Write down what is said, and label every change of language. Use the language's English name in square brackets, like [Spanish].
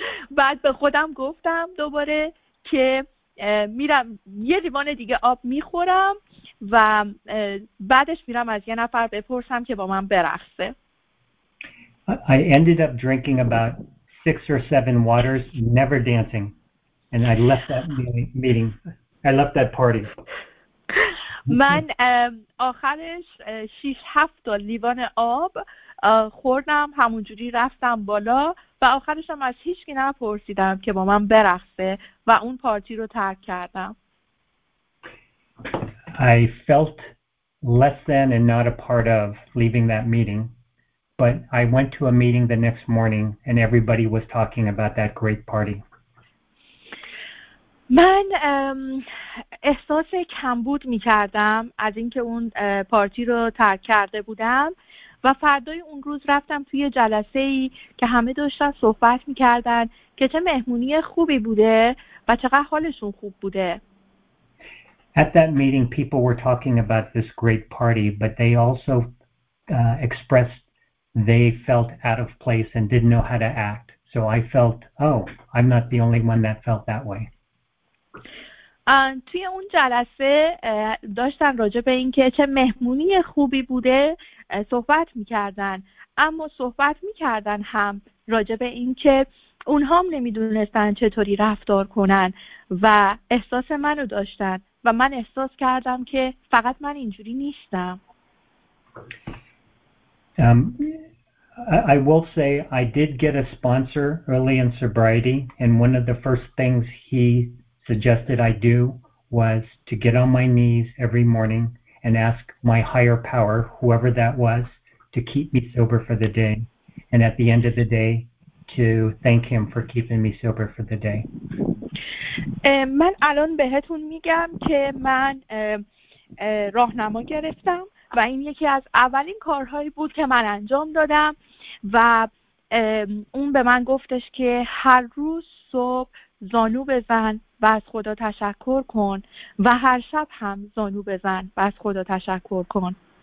[Persian] بعد به خودم گفتم دوباره که میرم یه لیوان دیگه آب میخورم و بعدش میرم از یه نفر بپرسم که با من برقصه. [English] I ended up drinking about 6 or 7 waters, never dancing. And I left that meeting. I left that party. [Persian] من آخرش 6-7 لیوان آب خوردم، همونجوری رفتم بالا و آخرش هم از هیچ کی نپرسیدم که با من برقصه و اون پارتی رو ترک کردم. [English] I felt less than and not a part of leaving that meeting. But I went to a meeting the next morning and everybody was talking about that great party. [Persian] من احساس کمبود می کردم از اینکه اون پارتی رو ترک کرده بودم و فردای اون روز رفتم توی جلسه ای که همه داشتن صحبت می کردن که چه مهمونی خوبی بوده و چقدر حالشون خوب بوده. [English] At that meeting people were talking about this great party but they also expressed they felt out of place and didn't know how to act. So I felt, oh, I'm not the only one that felt that way. [Persian] توی اون جلسه داشتن راجع به این که چه مهمونی خوبی بوده صحبت میکردن. اما صحبت میکردن هم راجع به این که اونها هم نمیدونستن چطوری رفتار کنن و احساس منو داشتن و من احساس کردم که فقط من اینجوری نیستم. [English] I will say I did get a sponsor early in sobriety, and one of the first things he suggested I do was to get on my knees every morning and ask my higher power, whoever that was, to keep me sober for the day, and at the end of the day, to thank him for keeping me sober for the day. [Persian] من الان بهتون میگم که من راهنما گرفتم. و این یکی از اولین کارهایی بود که من انجام دادم و اون به من گفتش که هر روز صبح زانو بزن و از خدا تشکر کن و هر شب هم زانو بزن و از خدا تشکر کن.